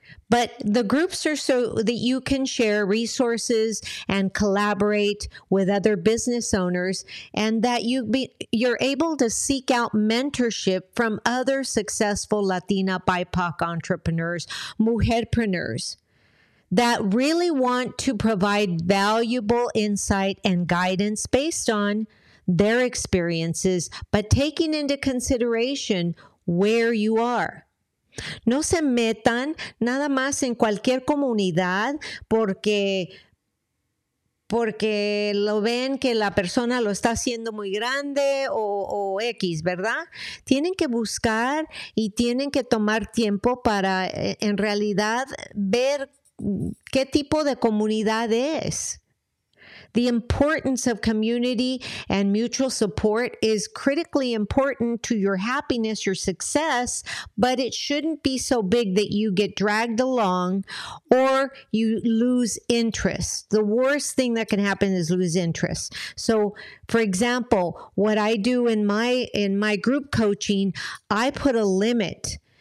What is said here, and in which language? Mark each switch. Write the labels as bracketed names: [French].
[English] But the groups are so that you can share resources and collaborate with other business owners, and that you're able to seek out mentorship from other successful Latina BIPOC entrepreneurs, mujerpreneurs, that really want to provide valuable insight and guidance based on their experiences, but taking into consideration where you are. [Spanish] No se metan nada más en cualquier comunidad porque lo ven que la persona lo está haciendo muy grande o X, ¿verdad? Tienen que buscar y tienen que tomar tiempo para en realidad ver qué tipo de comunidad es. [English] The importance of community and mutual support is critically important to your happiness, your success, but it shouldn't be so big that you get dragged along or you lose interest. The worst thing that can happen is lose interest. So, for example, what I do in my group coaching, I put a limit.